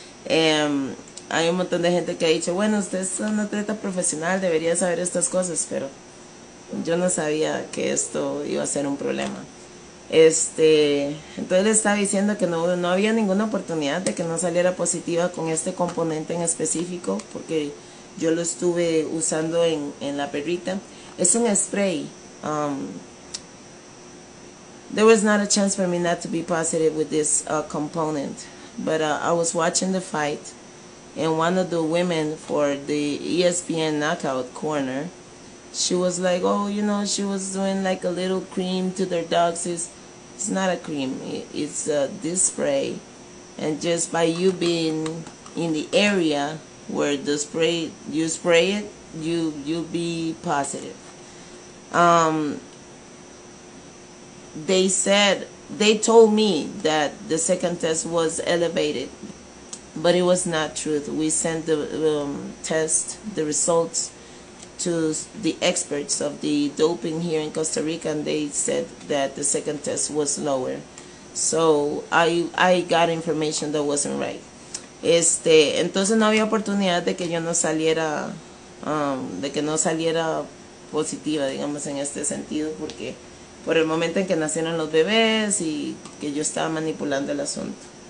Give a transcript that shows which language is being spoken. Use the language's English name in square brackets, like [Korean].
[Spanish] Hay un montón de gente que ha dicho, bueno, usted es un atleta profesional, debería saber estas cosas, pero yo no sabía que esto iba a ser un problema. Entonces le estaba diciendo que no había ninguna oportunidad de que no saliera positiva con este componente en específico, porque yo lo estuve usando en la perrita. Es un spray. [English] There was not a chance for me not to be positive with this component. But I was watching the fight, and one of the women for the ESPN knockout corner, she was like, oh, you know, she was doing like a little cream to their dogs. It's not a cream. It's this spray. And just by you being in the area where the spray, you spray it, you'll be positive. They told me that the second test was elevated, but it was not truth. We sent the test, the results, to the experts of the doping here in Costa Rica, and they said that the second test was lower. So I got information that wasn't right. [Spanish] Entonces no había oportunidad de que yo no saliera, de que no saliera positiva, digamos, en este sentido, porque por el momento en que nacieron los bebés y que yo estaba manipulando el asunto.